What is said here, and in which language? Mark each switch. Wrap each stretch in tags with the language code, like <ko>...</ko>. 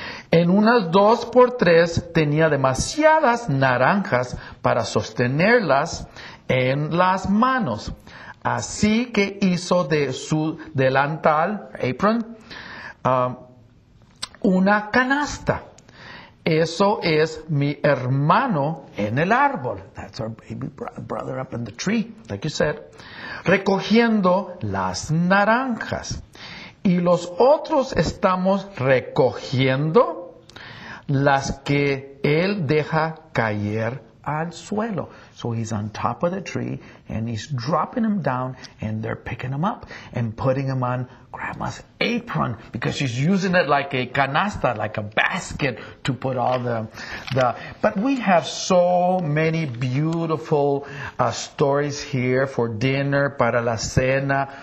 <es>En unas 2x3 tenía demasiadas naranjas para sostenerlas en las manos. Así que hizo de su delantal, apron, una canasta. Eso es mi hermano en el árbol.</es> <en>That's our baby brother up in the tree, like you said.</en> <es>Recogiendo las naranjas. Y los otros estamos recogiendo las que él deja caer al suelo.</es> <en>So he's on top of the tree and he's dropping them down and they're picking them up and putting them on grandma's apron because she's using it like a canasta, like a basket to put all the. But we have so many beautiful stories here for dinner,</en> <es>para la cena.</es>